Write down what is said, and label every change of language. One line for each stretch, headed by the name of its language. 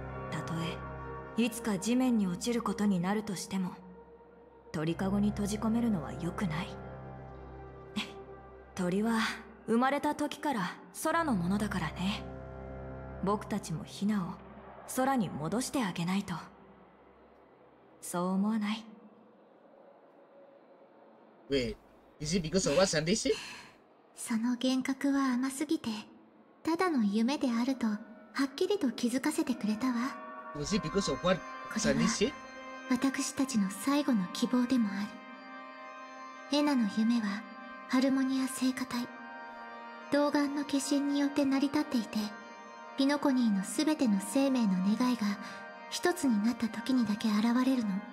Japanese: たとえいつか地面に落ちることになるとしても鳥かごに閉じ込めるのは良くない。鳥は生まれた時から空のものだからね。僕たちもヒナを空に戻してあげないと。そう思わない？
English: Wait, is it because of what Sandy said?
Japanese: その幻覚は甘すぎてただの夢であるとはっきりと気づかせてくれたわ。
English: Was it because of what Sandy said?
Japanese: これは私たちの最後の希望でもある。エナの夢はハルモニア聖歌隊、童顔の化身によって成り立っていて、ピノコニーのすべての生命の願いが一つになった時にだけ現れるの。